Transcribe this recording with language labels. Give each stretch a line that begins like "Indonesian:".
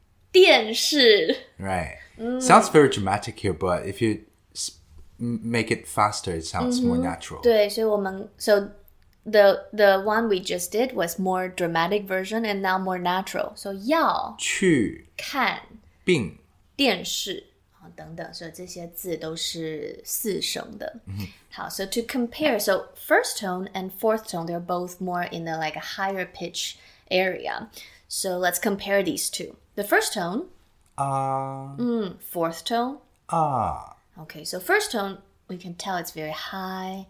Chinese: 电视
English: Right. Sounds very dramatic here, but if you make it faster, it sounds more natural.
Chinese: 对,
English: so the one we just did was more dramatic version and now more natural.
Chinese: So 要去看并电视等等，所以这些字都是四声的。 Mm-hmm.
English: 好 ，so to compare, so first tone and fourth tone, they're both more in the like a higher pitch area. So let's compare these two. The first tone, fourth tone, Okay, so first tone, we can tell it's very high